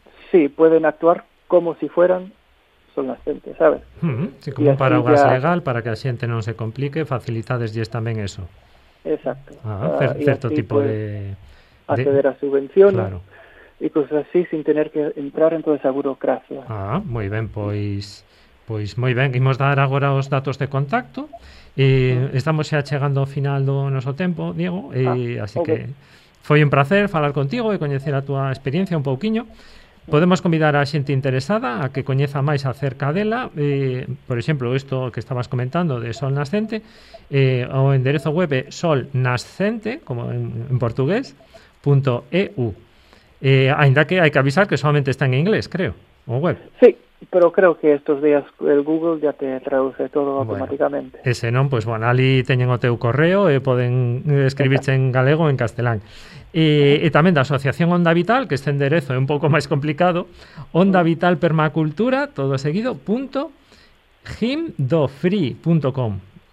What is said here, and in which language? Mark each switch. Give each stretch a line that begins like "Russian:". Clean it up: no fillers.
Spanish: Sí, pueden actuar como si fueran solnascentes, ¿sabes? Sí, como un paraguas ya... legal para que la gente no se complique, facilidades y es también eso. Exacto. Cierto tipo de... acceder a subvenciones. Claro. Y cosas así sin tener que entrar en toda esa burocracia. Ah, muy bien, pues...
Galician: Pois moi ben, imos dar agora os datos de contacto e estamos xa chegando ao final do noso tempo, Diego, e así que foi un placer falar contigo e coñecer a túa experiencia un pouquiño. Podemos convidar a xente interesada a que coñeza máis acerca dela, por exemplo, isto que estabas comentando de Sol Nascente, o enderezo web é solnascente, como en portugués, .eu. Ainda que hai que avisar que solamente está en inglés, creo, o web.
Spanish: Sí. Pero creo que estos días el Google ya te traduce todo automáticamente.
Galician: Bueno, ese non, pues bueno, ali teñen o teu correo e poden escribirse en galego ou en castelán. E tamén da Asociación Onda Vital, que este enderezo é un pouco máis complicado, ondavitalpermacultura, todo seguido, .himdofree.com.